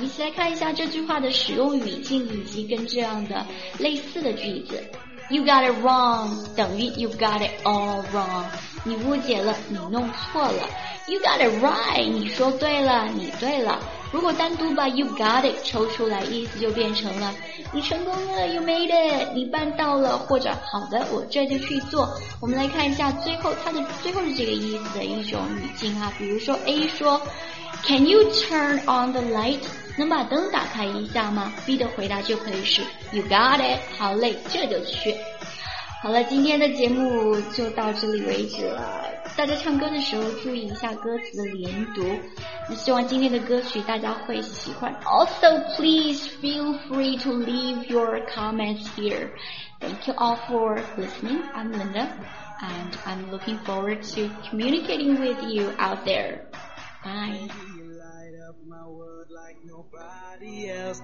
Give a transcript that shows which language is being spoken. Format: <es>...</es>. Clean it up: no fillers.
<zh>一起来看一下这句话的使用语境以及跟这样的类似的句子。</zh> <en>You got it wrong 等于 You got it all wrong.</en> <zh>你误解了，你弄错了。</zh> <en>You got it right.</en> <zh>你说对了，你对了。如果单独把 You got it 抽出来，意思就变成了你成功了，</zh> <en>You made it.</en> <zh>你办到了，或者好的，我这就去做。我们来看一下最后它的最后是这个意思的一种语境哈。比如说 A 说。</zh> <en>Can you turn on the light?</en> <zh>能把灯打开一下吗？B 的回答就可以是</zh> <en>You got it.</en> <zh>好嘞，这就去。好了，今天的节目就到这里为止了。大家唱歌的时候注意一下歌词的连读。希望今天的歌曲大家会喜欢。</zh> <en>Also, please feel free to leave your comments here. Thank you all for listening. I'm Linda, and I'm looking forward to communicating with you out there. Bye. You light up my world like nobody else.</en>